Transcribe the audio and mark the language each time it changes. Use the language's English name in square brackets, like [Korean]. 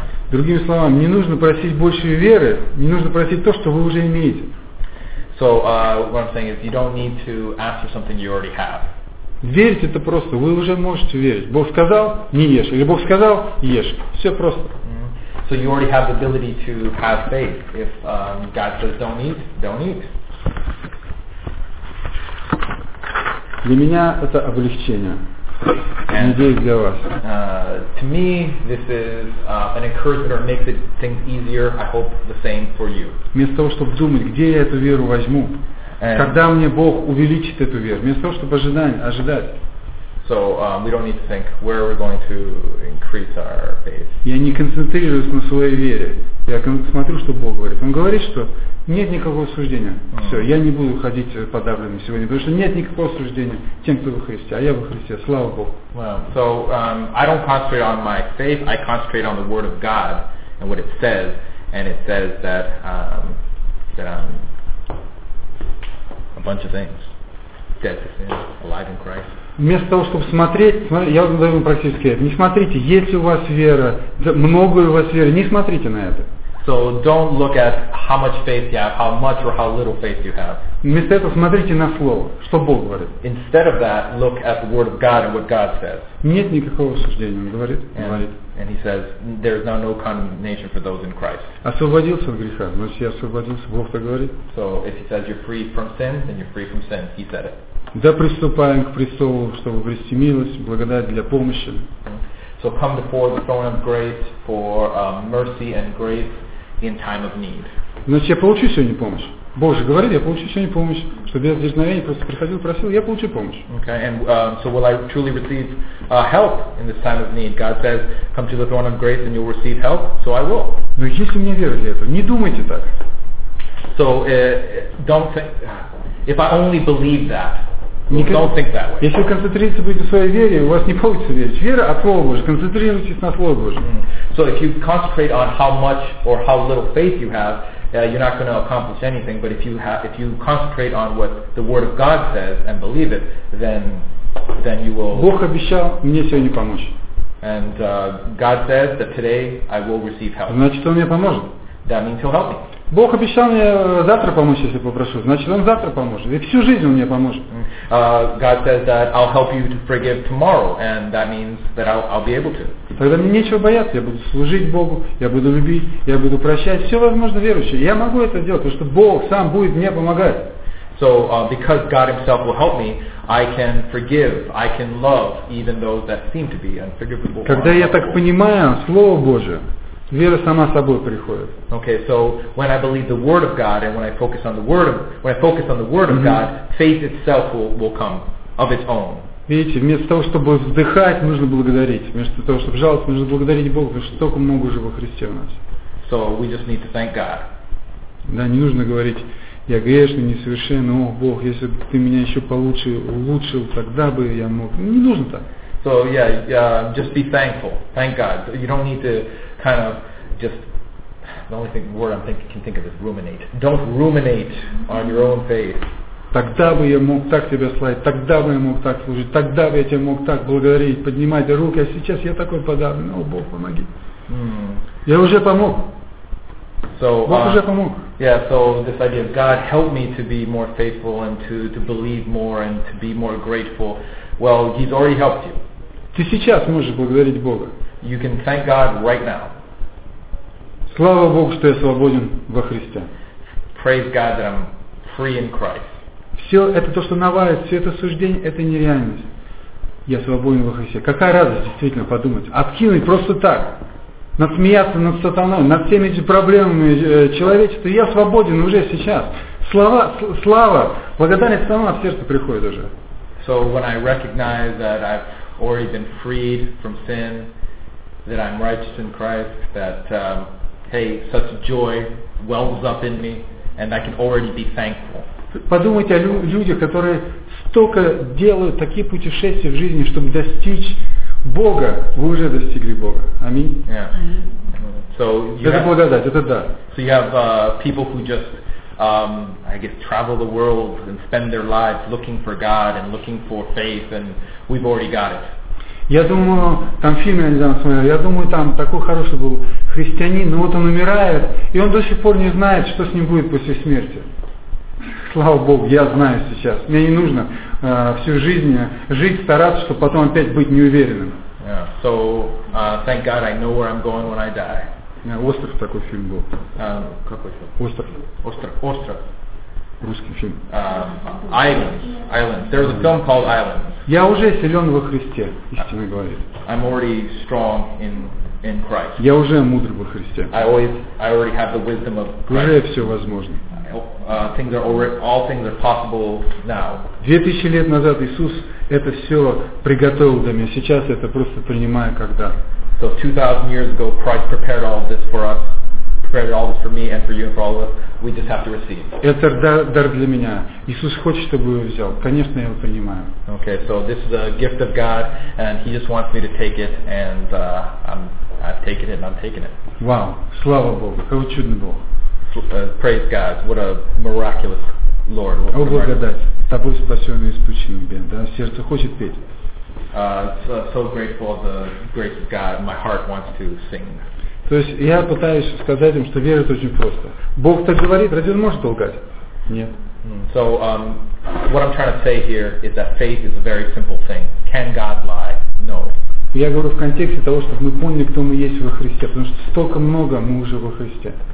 [Russian] Другими словами, не нужно просить больше веры, не нужно просить то, что вы уже имеете. [English] So, what I'm saying is, you don't need to ask for something you already have. [Russian] Верить это просто, вы уже можете верить. Бог сказал, не ешь, или Бог сказал, ешь. Все просто. Mm-hmm. [English] So you already have the ability to have faith. If God says don't eat, don't eat. [Russian] Для меня это облегчение. Надеюсь, для вас. [English] To me, this is an encouragement or makes it things easier. I hope the same for you. [Russian] Вместо того, чтобы думать, где я эту веру возьму, and когда мне Бог увеличит эту веру, вместо того, чтобы ожидать. [English] So we don't need to think where we're going to increase our faith. [Russian] Я не концентрируюсь на своей вере. Я смотрю, что Бог говорит. Он говорит, что нет никакого осуждения. Mm-hmm. Все, я не буду ходить подавленным сегодня, потому что нет никакого осуждения тем, кто во Христе, а я во Христе. Слава Богу. [English] Well, so I don't concentrate on my faith. I concentrate on the Word of God and what it says. And it says that a bunch of things. Dead to sin, alive in Christ. [Russian] Вместо того, чтобы смотреть, я задаю вам практически: не смотрите, есть ли у вас вера, много ли у вас веры, не смотрите на это. [English] So don't look at how much faith you have, how much or how little faith you have. [Russian] Вместо этого смотрите на слово, что Бог говорит. [English] Instead of that, look at the word of God and what God says. [Russian] Нет никакого осуждения, он говорит. Говорит. [English] And he says, there is now no condemnation for those in Christ. [Russian] Освободился от греха, значит, я освободился, Бог так говорит. [English] So if he says you're free from sin, then you're free from sin. He said it. [Russian] Да приступаем к престолу, чтобы обрести милость, благодать для помощи. [English] So come before the throne of grace for mercy and grace in time of need. [Russian] Значит, я получу сегодня помощь. Боже, говорит, я получу сегодня помощь, чтобы я с дерзновением просто приходил, просил, я получу помощь. [English] Okay, and so will I truly receive help in this time of need? God says, come to the throne of grace and you'll receive help, so I will. [Russian] Но есть у меня вера для этого. Не думайте так. [English] So, don't think, if I only believe that, [Russian] Если вы концентрируетесь будете в своей вере, у вас не получится верить. Вера от Слова Божьего. Концентрируйтесь на Слове Божьем. [English] So if you concentrate on how much or how little faith you have, you're not going to accomplish anything. But if you concentrate on what the Word of God says and believe it, then you will. [Russian] Бог обещал мне сегодня помочь. [English] And God says that today I will receive help. [Russian] Значит, Он мне поможет. [English] That means He'll help me. [Russian] Бог обещал мне завтра помочь, если попрошу. Значит, Он завтра поможет. И всю жизнь Он мне поможет. [English] God says that I'll help you to forgive tomorrow, and that means that I'll be able to. [Russian] Тогда мне нечего бояться. Я буду служить Богу, я буду любить, я буду прощать. Все возможно верующие. Я могу это делать, потому что Бог сам будет мне помогать. [English] So, because God Himself will help me, I can forgive, I can love even those that seem to be unforgivable. [Russian] Когда я так понимаю Слово Божие, вера сама собой приходит. [English] Okay, so when I believe the Word of God and when I focus on the Word of God, faith itself will come of its own. [Russian] Видите, вместо того, чтобы вздыхать, нужно благодарить. Вместо того, чтобы жаловаться, нужно благодарить Бога, потому что столько много уже во Христе у нас. [English] So we just need to thank God. [Russian] Да, не нужно говорить, я грешный, несовершенный, ох, Бог, если бы ты меня еще получше улучшил, тогда бы я мог. Не нужно так. [English] So yeah, just be thankful. Thank God. You don't need to kind of just the only thing word I'm thinking can think of is ruminate. Don't ruminate on your own faith. [Russian] Тогда бы я мог так тебя славить, тогда бы я мог так служить, тогда бы я тебя мог так благодарить, поднимать руки, а сейчас я такой подавлен, о Бог, помоги. Я уже помог. [English] So, [Russian] Бог уже помог. [English] Yeah, so this idea of God help me to be more faithful and to believe more and to be more grateful. Well, He's already helped you. [Russian] Ты сейчас можешь благодарить Бога. [English] You can thank God right now. [Russian] Слава Богу, что я свободен во Христе. [English] Praise God that I'm free in Christ. [Russian] Все это то, что навалит, все это суждение, это нереальность. Я свободен во Христе. Какая радость действительно подумать. Откинуть просто так. Насмеяться над сатаной, над всеми этими проблемами человечества. Я свободен уже сейчас. Слава, благодарность сама в сердце приходит уже. [English] So when I recognize that I've already been freed from sin, that I'm righteous in Christ, that hey, such joy wells up in me, and I can already be thankful. [Russian] Подумайте о людях, которые столько делают такие путешествия в жизни, чтобы достичь Бога. Вы уже достигли Бога. Аминь. [English] Yeah. So you [Russian] это благодать, это да. [English] So you have people who just I guess travel the world and spend their lives looking for God and looking for faith, and we've already got it. [Russian] Я думаю, там фильм я недавно смотрел. Я думаю, там такой хороший был христианин, но вот он умирает, и он до сих пор не знает, что с ним будет после смерти. Слава Богу, я знаю сейчас. Мне не нужно всю жизнь жить, стараться, чтобы потом опять быть неуверенным. [English] Yeah. So thank God I know where I'm going when I die. [Russian] Остров такой фильм был. Какой фильм? Остров. Русский фильм. [English] Islands. There's a film called Islands. [Russian] Я уже силен во Христе, истинно говорит. [English] I'm already strong in Christ. [Russian] Я уже мудр во Христе. [English] I already have the wisdom of Christ. [Russian] Уже все возможно. [English] All things are possible now. [Russian] 2000 лет назад Иисус это все приготовил для меня. Сейчас это просто принимаю как дар. [English] So 2,000 years ago, Christ prepared all of this for us, prepared all this for me and for you and for all of us. We just have to receive. [Russian] Это дар для меня. Иисус хочет, чтобы я его взял. Конечно, я его принимаю. [English] Okay, so this is a gift of God, and He just wants me to take it, and I've taken it, and I'm taking it. [Russian] Wow, слава Богу, какой чудный Бог. [English] Praise God, what a miraculous Lord. [Russian] О, благодать, тобой спасенный исключенный бен, да, сердце хочет петь. [English] So grateful of the grace of God, my heart wants to sing. [Russian] То есть я пытаюсь сказать им, что верить очень просто. Бог так говорит, разве он может лгать? Нет. [English] So what I'm trying to say here is that faith is a very simple thing. Can God lie? No. [Russian] Я говорю в контексте того, чтобы мы поняли, кто мы есть во Христе, потому что столько много мы уже во Христе.